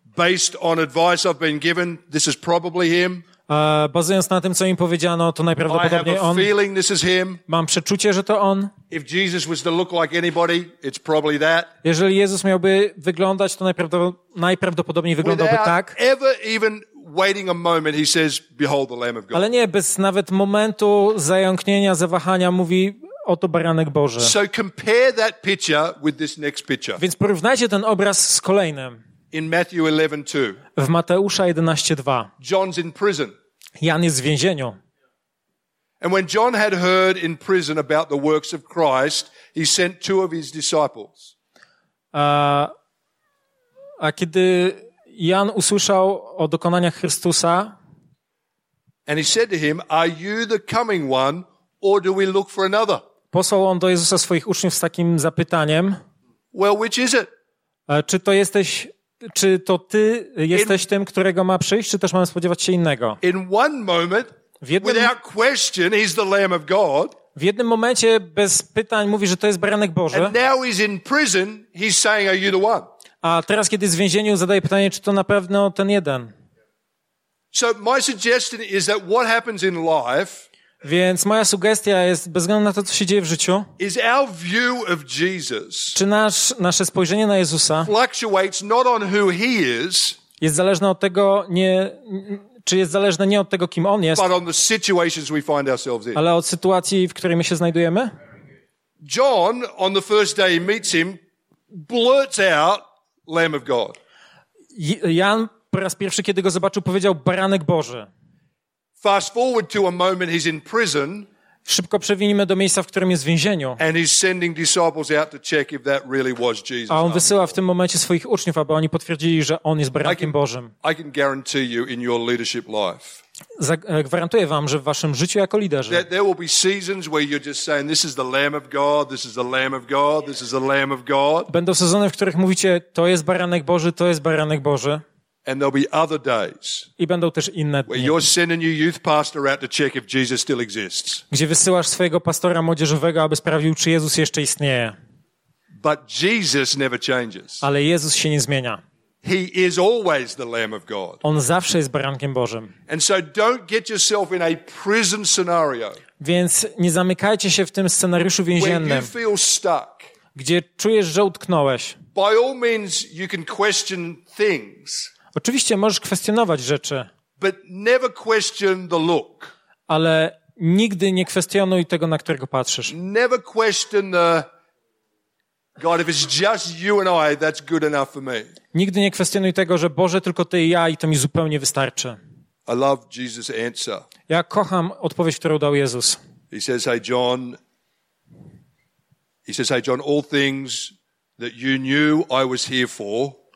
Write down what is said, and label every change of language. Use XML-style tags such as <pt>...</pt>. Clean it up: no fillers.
<en>Based on advice I've been given, this is probably him.</en> <pl>Bazując na tym, co im powiedziano, to najprawdopodobniej on.</pl> <en>I have a feeling this is him.</en> <pl>Mam przeczucie, że to on.</pl> <en>If Jesus was to look like anybody, it's probably that.</en> <pl>Jeżeli Jezus miałby wyglądać, to najprawdopodobniej wyglądałby tak.</pl> <en>Without ever even waiting a moment, he says, "Behold the Lamb of God."</en> <pl>Ale nie bez nawet momentu zająknienia, zawahania, mówi. Oto baranek Boży.</pl> <en>So compare that picture with this next picture.</en> <pl>Więc porównajcie ten obraz z kolejnym.</pl> <en>In Matthew 11:2.</en> <pl>W Mateusza 11:2.</pl> <en>John's in prison.</en> <pl>Jan jest w więzieniu.</pl> <en>And when John had heard in prison about the works of Christ, he sent two of his disciples.</en> <pl>A kiedy Jan usłyszał o dokonaniach Chrystusa,</pl> <en>and he said to him, "Are you the coming one, or do we look for another?"</en> <pl>Posłał on do Jezusa swoich uczniów z takim zapytaniem.</pl> <en>Well, which is it?</en> <pl>Czy to jesteś? Czy to ty jesteś tym, którego ma przyjść, czy też mamy spodziewać się innego?</pl> <en>In one moment, without question, he's the Lamb of God.</en> <pl>W jednym momencie bez pytań mówi, że to jest baranek Boży.</pl> <en>And now he's in prison, he's saying, "Are you the one?"</en> <pl>A teraz, kiedy jest w więzieniu, zadaje pytanie, czy to na pewno ten jeden?</pl> <en>So my suggestion is that what happens in life.</en> <pl>Więc moja sugestia jest, bez względu na to, co się dzieje w życiu,</pl> <en>is our view of Jesus,</en> <pl>czy nasze spojrzenie na Jezusa</pl> <en>fluctuates not on who he is,</en> <pl>jest zależne od tego, czy jest zależne nie od tego, kim on jest,</pl> <en>but on the situations we find ourselves in.</en> <pl>Ale od sytuacji, w której my się znajdujemy.</pl> <en>John, on the first day he meets him, blurts out, Lamb of God.</en> <pl>Jan po raz pierwszy, kiedy go zobaczył, powiedział, baranek Boży.</pl> <en>Fast forward to a moment he's in prison.</en> <pl>Szybko przewinimy do miejsca, w którym jest w więzieniu.</pl> <en>And he's sending disciples out to check if that really was Jesus.</en> <pl>A on wysyła w tym momencie swoich uczniów, aby oni potwierdzili, że on jest barankiem Bożym.</pl> <en>I can guarantee you in your leadership life.</en> <pl>Gwarantuję wam, że w waszym życiu jako liderzy.</pl> <en>That there will be seasons where you're just saying, "This is the Lamb of God. This is the Lamb of God. This is the Lamb of God."</en> <pl>Będą sezony, w których mówicie, "To jest baranek Boży. To jest baranek Boży."</pl> <en>And there'll be other days.</en> <pl>I będą też inne dni.</pl> <en>Where you're sending your youth pastor out to check if Jesus still exists.</en> <pl>Gdzie wysyłasz swojego pastora młodzieżowego, aby sprawdził, czy Jezus jeszcze istnieje.</pl> <en>But Jesus never changes.</en> <pl>Ale Jezus się nie zmienia.</pl> <en>He is always the Lamb of God.</en> <pl>On zawsze jest barankiem Bożym.</pl> <en>And so don't get yourself in a prison scenario.</en> <pl>Więc nie zamykajcie się w tym scenariuszu więziennym.</pl> <en>Where you feel stuck.</en> <pl>Gdzie czujesz, że utknąłeś.</pl> <en>By all means you can question things.</en> <pl>Oczywiście możesz kwestionować rzeczy.</pl> <en>But never question the look.</en> <pl>Ale nigdy nie kwestionuj tego, na którego patrzysz.</pl> <en>Never question the God, if it's just you and I, that's good enough for me.</en> <pl>Nigdy nie kwestionuj tego, że Boże, tylko ty i ja i to mi zupełnie wystarczy.</pl> <en>I love Jesus' answer.</en> <pl>Ja kocham odpowiedź, którą dał Jezus.</pl> <en>He says, hey John, all things that you knew I was here for.</en>